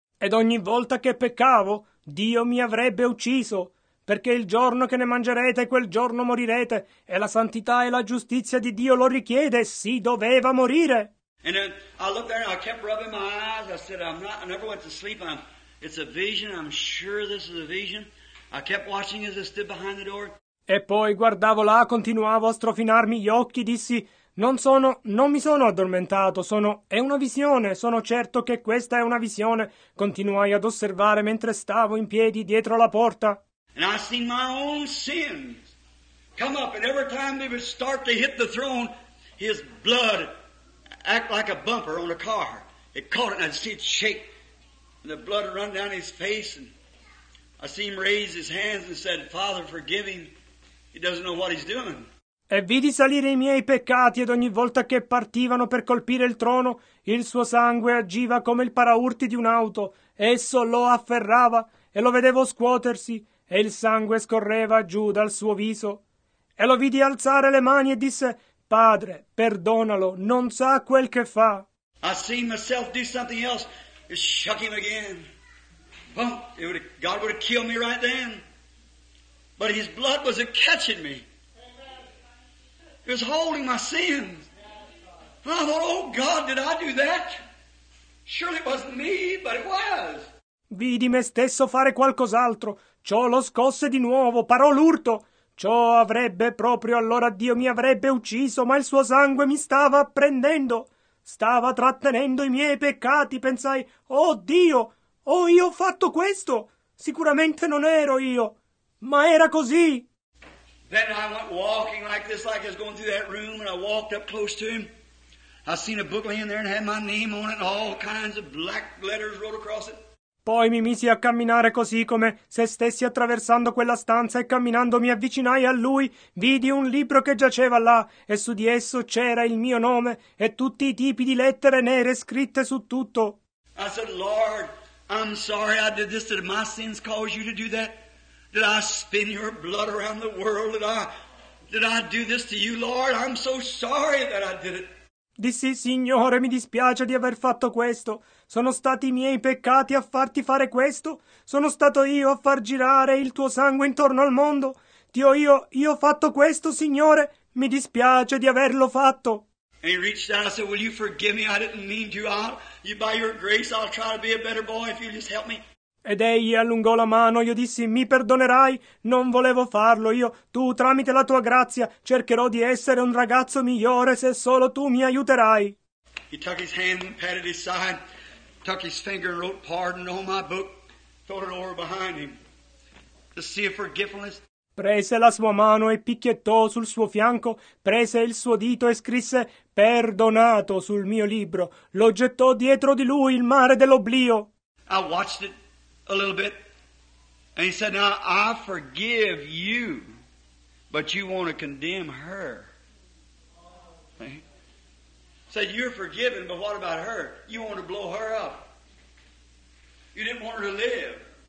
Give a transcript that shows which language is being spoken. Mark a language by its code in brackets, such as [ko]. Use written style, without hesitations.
[it] Ed ogni volta che peccavo, Dio mi avrebbe ucciso. Perché il giorno che ne mangerete, quel giorno morirete. E la santità e la giustizia di Dio lo richiede. Si doveva morire. [en] And then I looked there and I kept rubbing my eyes. I said, I never went to sleep. It's a vision. I'm sure this is a vision. I kept watching as I stood behind the door. [it] E poi guardavo là, continuavo a strofinarmi gli occhi, dissi, non mi sono addormentato, è una visione, sono certo che questa è una visione. Continuai ad osservare mentre stavo in piedi dietro la porta. [en] And I seen my own sins come up, and every time they would start to hit the throne, his blood act like a bumper on a car. It caught it, and I'd see it shake, and the blood would run down his face, and I seen him raise his hands and said, Father, forgive him. He doesn't know what he's doing. [it] E vidi salire i miei peccati ed ogni volta che partivano per colpire il trono, il suo sangue agiva come il paraurti di un'auto. Esso lo afferrava e lo vedevo scuotersi e il sangue scorreva giù dal suo viso. E lo vidi alzare le mani e disse, Padre, perdonalo, non sa quel che fa. [en] I see myself do something else. It shook him again. Well, God would have killed me right then. But his blood was catching me. It was holding my sins. And I thought, oh God, did I do that? Surely it wasn't me, but it was. [it] Vidi me stesso fare qualcos'altro. Ciò lo scosse di nuovo, parò l'urto. Ciò avrebbe proprio allora Dio mi avrebbe ucciso, ma il suo sangue mi stava prendendo. Stava trattenendo i miei peccati. Pensai, oh Dio, oh io ho fatto questo. Sicuramente non ero io. Ma era così. [en] Then I went walking like this, like I was going through that room, and I walked up close to him. I seen a book laying there and had my name on it, and all kinds of black letters wrote across it. [it] Poi mi misi a camminare così, come se stessi attraversando quella stanza, e camminando mi avvicinai a lui, vidi un libro che giaceva là, e su di esso c'era il mio nome, e tutti i tipi di lettere nere scritte su tutto. [en] I said, Lord, I'm sorry I did this, did my sins cause you to do that? Did I spin your blood around the world? Did I do this to you, Lord? I'm so sorry that I did it. [it] Dissi, Signore, mi dispiace di aver fatto questo. Sono stati i miei peccati a farti fare questo? Sono stato io a far girare il tuo sangue intorno al mondo? Dio, io ho fatto questo, Signore. Mi dispiace di averlo fatto. [en] And he reached out and said, "Will you forgive me? I didn't mean to. By your grace, I'll try to be a better boy if you'll just help me." [it] Ed egli allungò la mano, io dissi, mi perdonerai? Non volevo farlo, tu tramite la tua grazia cercherò di essere un ragazzo migliore se solo tu mi aiuterai. [en] He took his hand and patted his side, took his finger and wrote pardon on my book, thought it over behind him, the sea of forgiveness. [it] Prese la sua mano e picchiettò sul suo fianco, prese il suo dito e scrisse perdonato sul mio libro, lo gettò dietro di lui il mare dell'oblio. [en] I watched it a little bit, and he said, "Now I forgive you, but you want to condemn her." He said, "You're forgiven, but what about her? You want to blow her up. You didn't want her to live."